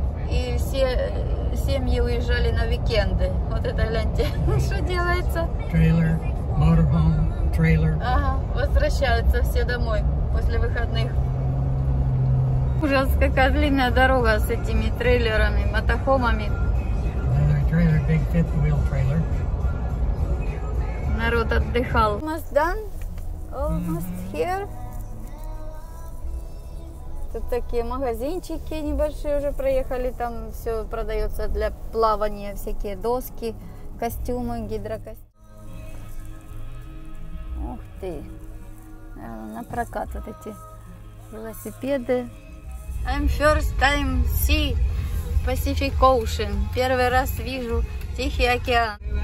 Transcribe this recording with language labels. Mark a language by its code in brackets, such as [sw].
[ru] И все семьи уезжали на уикенды. Вот это гляньте, что делается. Трейлер, моторхом, трейлер. Ага, возвращаются все домой после выходных. Ужас, какая длинная дорога с этими трейлерами, мотохомами. [en] Трейлер, big fifth wheel trailer. [ru] Народ отдыхал. [en] Almost done. Almost here. [ru] Тут такие магазинчики небольшие уже проехали, там все продается для плавания, всякие доски, костюмы, гидрокостюмы. Ух ты, на прокат вот эти велосипеды. [en] I'm first time see Pacific Ocean. [ru] Первый раз вижу Тихий океан.